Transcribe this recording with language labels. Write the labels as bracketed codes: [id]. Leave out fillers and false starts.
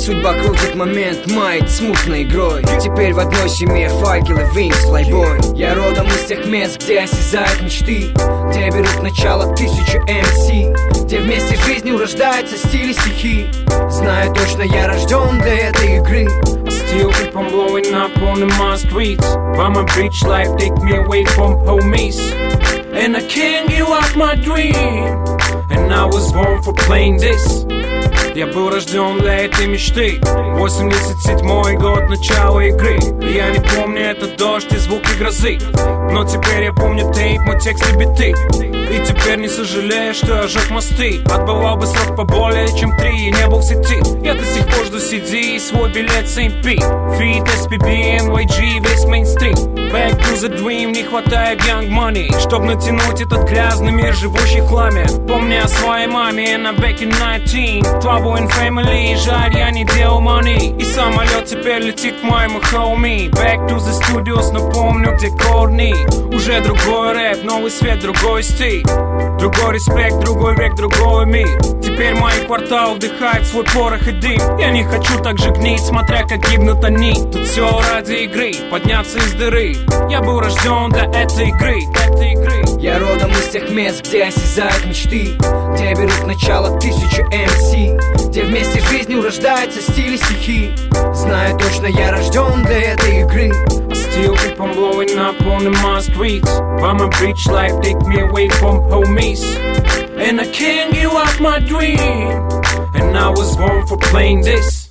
[ru] Судьба крутит момент, мает смутной игрой. Теперь в одной семье факелы, Винкс, Флайбой. Я родом из тех мест, где осязают мечты. Где берут начало тысячи MC. Где вместе жизни урождаются стили стихи. Знаю точно, я рожден для этой игры. [en] Still keep on blowing up on my streets. But my bitch life take me away from homies. And I can't give up my dream. And I was born for playing this. [ru] Я был рожден для этой мечты. 87-й год, начало игры. Я не помню этот дождь и звуки грозы. Но теперь я помню тейп, мой текст и биты. И теперь не сожалею, что я жёг мосты. Отбывал бы срок поболее, чем 3, и не был в сети. Я до сих пор жду CD и свой билет с MP. [en] Feed, SPB, NYG, [ru] весь мейнстрим. [en] Back to the dream, [ru] не хватает [en] young money. [ru] Чтоб натянуть этот грязный мир, живущий в хламе. Помню о своей маме, [en] and I'm back in 19. Trouble in family, [ru] жаль, я не делал money. И самолет теперь летит к моему хоуми. [en] Back to the studios, [ru] но помню, где корни. Уже другой рэп, новый свет, другой стиль. Другой респект, другой век, другой мир. Теперь мой квартал вдыхает свой порох и дым. Я не хочу так же гнить, смотря как гибнут они. Тут все ради игры, подняться из дыры. Я был рожден для этой игры, этой игры. Я родом из тех мест, где осязают мечты. Где берут начало тысячи MC. Где вместе с жизнью рождаются стили стихи. Знаю точно, я рожден для этой игры. [en] Still keep on blowing up on my streets. But my bitch life take me away from homies. And I can't give up my dream. And I was born for playing this.